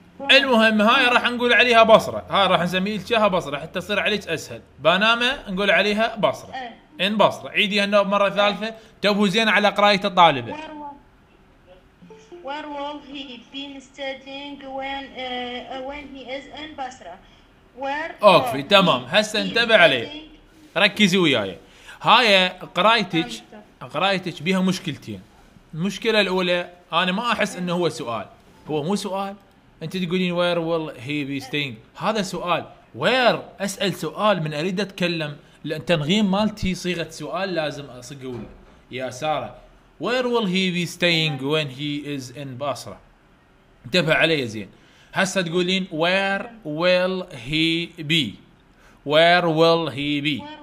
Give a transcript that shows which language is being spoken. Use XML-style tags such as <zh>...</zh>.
<ar>المهم هاي راح نقول عليها بصرة. هاي راح نسميها بصرة حتى تصير عليك اسهل. بنامة نقول عليها بصرة. ان بصر عيدي هالنوب مرة ثالثة تبه زين على قراية الطالبة.</ar> <en>Where will he be studying when he is in Basra? Where?</en> <ar>أوكي تمام هسا انتبه عليه ركزي وياي. هاي قرايتك بيها مشكلتين. المشكلة الأولى أنا ما أحس إنه هو سؤال، هو مو سؤال. أنت تقولين</ar> <en>Where will he be staying؟</en> <ar>هذا سؤال. Where أسأل سؤال من أريد أتكلم، لأن تنغيم مالتي صيغة سؤال لازم أصقول يا سارة.</ar> <en>Where will he be staying when he is in Basra؟</en> <ar>انتبه علي زين. هسا تقولين</ar> <en>Where will he be؟ Where will he be؟</en>